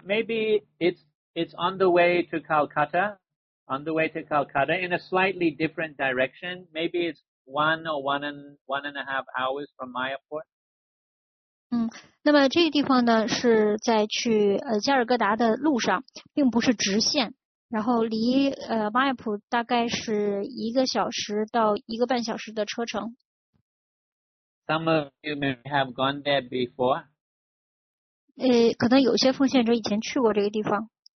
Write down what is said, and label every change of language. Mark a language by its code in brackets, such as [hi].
[en] Maybe it's on the way to Calcutta, on the way to Calcutta in a slightly different direction. Maybe it's one and a half hours from Mayapur. [zh] 那么这个地方呢是在去加尔各答的路上，并不是直线。然后离Mayapur大概是一个小时到一个半小时的车程。 [en] Some of you may have gone there before. [zh] 可能有些奉献者以前去过这个地方。